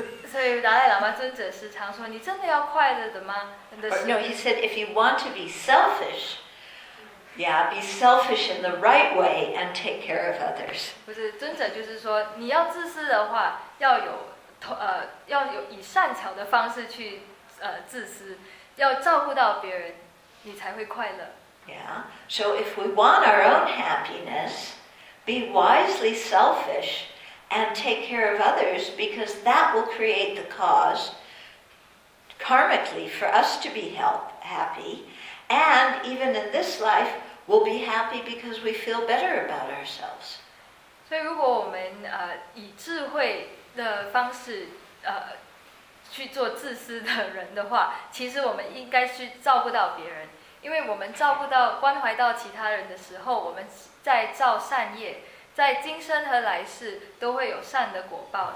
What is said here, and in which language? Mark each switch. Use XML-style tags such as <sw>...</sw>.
<zh>所以达赖喇嘛尊者时常说，你真的要快乐的吗？</zh> <en>No, he said, if you want to be selfish, be selfish in the right way and take care of others.</en> <zh>不是，尊者就是说，你要自私的话，要有以善巧的方式去自私，要照顾到别人，你才会快乐。</zh> <en>Yeah. So if we want our own happiness, be wisely selfish and take care of others, because that will create the cause karmically for us to be happy. And even in this life, we'll be happy because we feel better about ourselves.</en> <zh>所以如果我们以智慧的方式去做自私的人的话，其实我们应该去照顾到别人。因为我们照顾到、关怀到其他人的时候，我们在造善业，在今生和来世都会有善的果报。</zh>